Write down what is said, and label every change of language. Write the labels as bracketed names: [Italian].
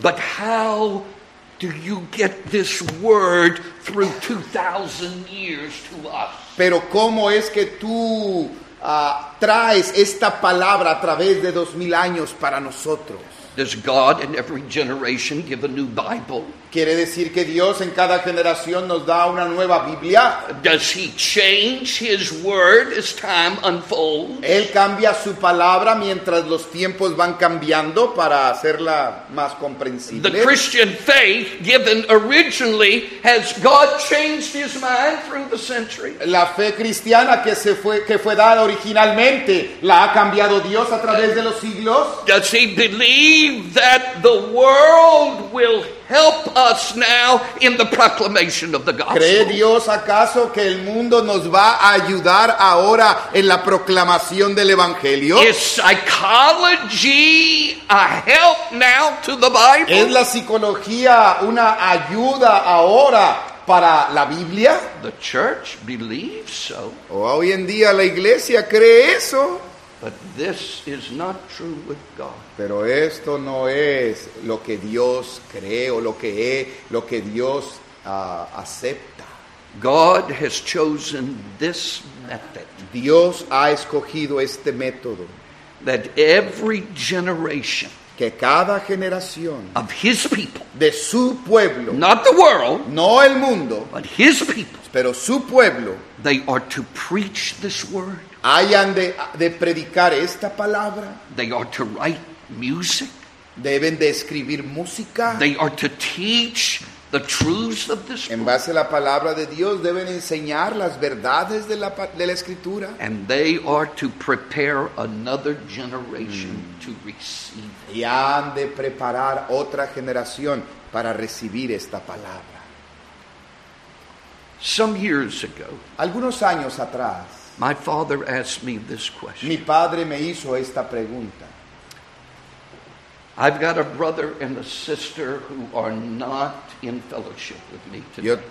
[English] But how do you get this word through 2,000 years to us? [Spanish] Pero cómo es que tú traes esta palabra a través de 2,000 años para nosotros? [English] Does God in every generation give a new Bible? [Spanish] ¿Quiere decir que Dios en cada generación nos da una nueva Biblia? [English] Does he change his word as time unfolds? [Spanish] ¿Él cambia su palabra mientras los tiempos van cambiando para hacerla más comprensible? [English] The Christian faith given originally, has God changed his mind through the century? [Spanish] La fe cristiana que fue dada originalmente, ¿la ha cambiado Dios a través de los siglos? [English] Does he believe that the world will help us now in the proclamation of the gospel? [Spanish] ¿Cree Dios acaso que el mundo nos va a ayudar ahora en la proclamación del evangelio? [English] Is psychology a help now to the Bible? [Spanish] ¿Es la psicología una ayuda ahora para la Biblia? [English] The church believes so. [Spanish] Hoy en día la iglesia cree eso. [English] But this is not true with God. [Spanish] Pero esto no es lo que Dios cree o lo que Dios acepta. [English] God has chosen this method. [Spanish] Dios ha escogido este método. [English] That every generation, [Spanish] que cada generación [English] of his people, [Spanish] de su pueblo, [English] not the world, [Spanish] no el mundo, [English] but his people, [Spanish] pero su pueblo, [English] they are to preach this word. [Spanish] Hayan de predicar esta palabra. [English] They are to write music. [Spanish] Deben de escribir música. [English] They are to teach the truths of this book. [Spanish] En base a la palabra de Dios, deben enseñar las verdades de la escritura. [English] And they are to prepare another generation to receive. [Spanish] Y han de preparar otra generación para recibir esta palabra. [English] Some years ago, [Spanish] algunos años atrás, [English] my father asked me this question. [Spanish] Mi padre me hizo esta pregunta. [English] I've got a brother and a sister who are not in fellowship with me today.